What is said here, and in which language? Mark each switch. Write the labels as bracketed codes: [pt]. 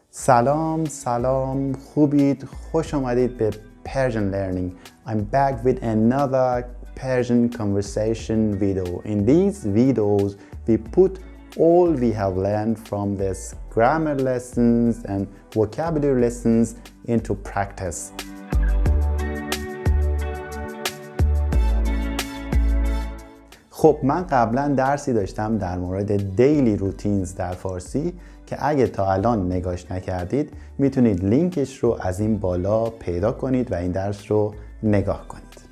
[fa] سلام سلام خوبید خوش اومدید به Persian Learning. [en] I'm back with another Persian conversation video. In these videos, we put all we have learned from this grammar lessons and vocabulary lessons into practice. [fa] خب من قبلا درسی داشتم در مورد [en] daily routines [fa] در فارسی که اگه تا الان نگاش نکردید میتونید لینکش رو از این بالا پیدا کنید و این درس رو نگاه کنید.